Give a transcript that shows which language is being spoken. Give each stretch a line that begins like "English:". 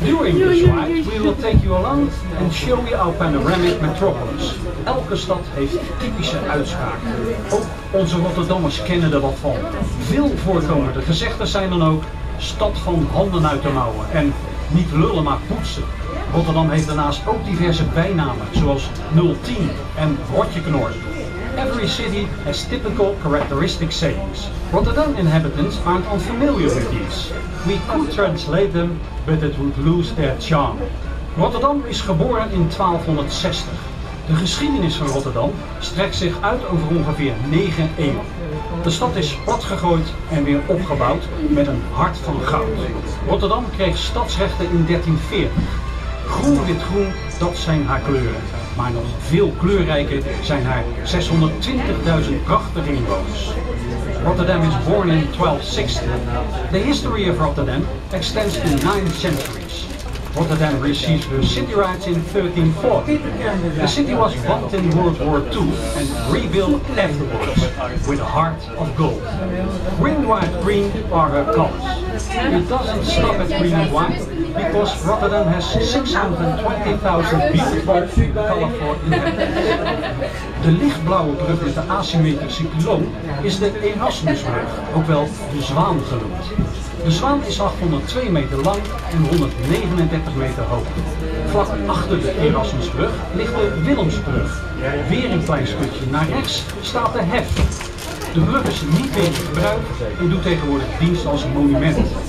English: During this ride, we will take you along and show you our panoramic metropolis.
Dutch: Elke stad heeft typische uitspraken. Ook onze Rotterdammers kennen er wat van. Veel voorkomende gezegden zijn dan ook: stad van handen uit de mouwen. En niet lullen, maar poetsen. Rotterdam heeft daarnaast ook diverse bijnamen, zoals 010 en Rotjeknor.
English: Every city has typical characteristic sayings. Rotterdam inhabitants aren't unfamiliar with these. We could translate them, but it would lose their charm.
Dutch: Rotterdam is geboren in 1260. De geschiedenis van Rotterdam strekt zich uit over ongeveer 9 eeuwen. De stad is platgegooid en weer opgebouwd met een hart van goud. Rotterdam kreeg stadsrechten in 1340. Groen, wit, groen, dat zijn haar kleuren. Maar nog veel kleurrijker zijn haar 620.000 krachtige inwoners.
English: Rotterdam is born in 1260. The history of Rotterdam extends to 9 centuries. Rotterdam receives her city rights in 1340. The city was bombed in World War II and rebuilt afterwards with a heart of gold. Green, white, green are her colors. It doesn't stop at green and white because Rotterdam has 620.000 beautiful, colorful inhabitants.
Dutch: De lichtblauwe brug met de asymmetrische kloon is de Erasmusbrug, ook wel de Zwaan genoemd. De Zwaan is 802 meter lang en 139 meter hoog. Vlak achter de Erasmusbrug ligt de Willemsbrug. Weer een klein stukje naar rechts staat de Hef. De brug is niet meer in gebruik en doet tegenwoordig dienst als monument.